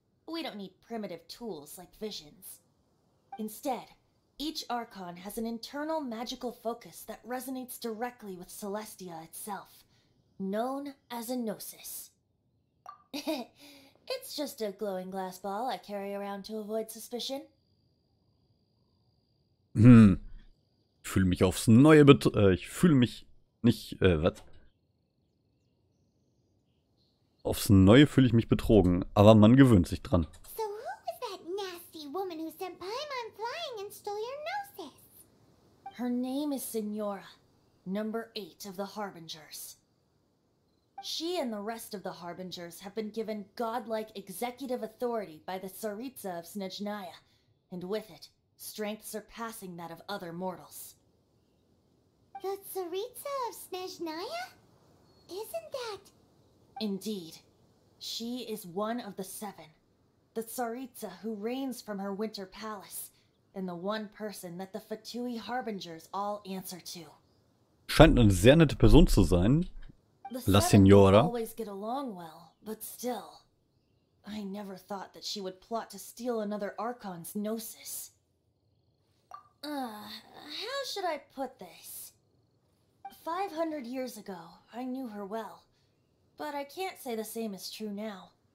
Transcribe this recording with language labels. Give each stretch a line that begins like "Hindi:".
English: We don't need primitive tools like visions. Instead, each Archon has an internal magical focus that resonates directly with Celestia itself. Known as a Gnosis. It's just a glowing glass ball I carry around to avoid suspicion.
German: Ich fühle mich aufs Neue ich fühle mich nicht, was? Aufs Neue fühle ich mich betrogen, aber man gewöhnt sich dran.
English: So who was that nasty woman who sent Paimon flying and stole your Gnosis? Her name is Signora, number 8 of the Harbingers. She and the rest of the Harbingers have been given godlike executive authority by the Tsaritsa of Snezhnaya, and with it, strength surpassing that of other mortals. The Tsaritsa of Snezhnaya? Isn't that... Indeed. She is one of the 7. The Tsaritsa who reigns from her winter palace, and the one person that the Fatui Harbingers all answer to.
German: Scheint eine sehr nette Person zu sein.
English: La Signora. Always get along well, but still, I never thought that she would plot to steal another Archon's Gnosis. How should I put this? 500 years ago, I knew her well, but I can't say the same is true now.